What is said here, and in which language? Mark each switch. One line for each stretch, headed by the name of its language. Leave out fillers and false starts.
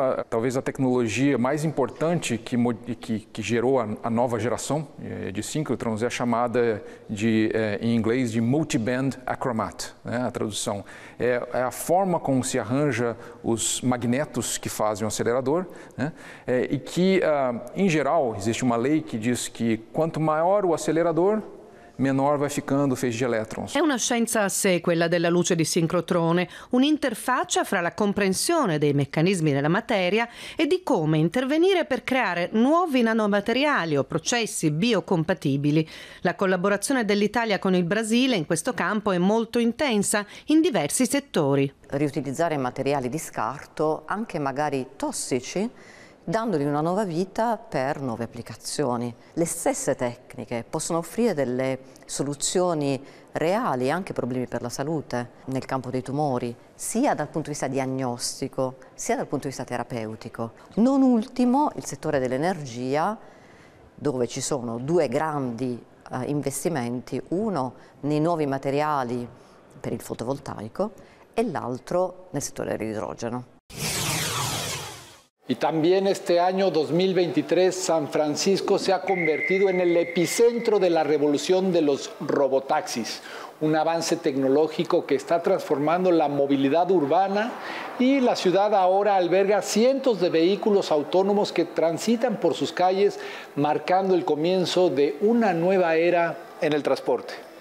Portuguese: Talvez a tecnologia mais importante que gerou a nova geração de síncrotrons é a chamada, em inglês, de multiband achromat, né, a tradução. É a forma como se arranja os magnetos que fazem o acelerador, né, e que, em geral, existe uma lei que diz que quanto maior o acelerador, menor vai ficando o feixe de elétrons.
Italian: É uma ciência a sé, quella della luce di sincrotrone, un'interfaccia fra la comprensione dei meccanismi della materia e di come intervenire per creare nuovi nanomateriali o processi biocompatibili. La collaborazione dell'Italia con il Brasile in questo campo è molto intensa in diversi settori. Riutilizzare materiali di scarto, anche magari tossici, dandogli una nuova vita per nuove applicazioni. Le stesse tecniche possono offrire delle soluzioni reali anche problemi per la salute nel campo dei tumori, sia dal punto di vista diagnostico, sia dal punto di vista terapeutico. Non ultimo il settore dell'energia, dove ci sono due grandi investimenti, uno nei nuovi materiali per il fotovoltaico e l'altro nel settore dell'idrogeno.
Spanish: Y también este año 2023 San Francisco se ha convertido en el epicentro de la revolución de los robotaxis, un avance tecnológico que está transformando la movilidad urbana, y la ciudad ahora alberga cientos de vehículos autónomos que transitan por sus calles, marcando el comienzo de una nueva era en el transporte.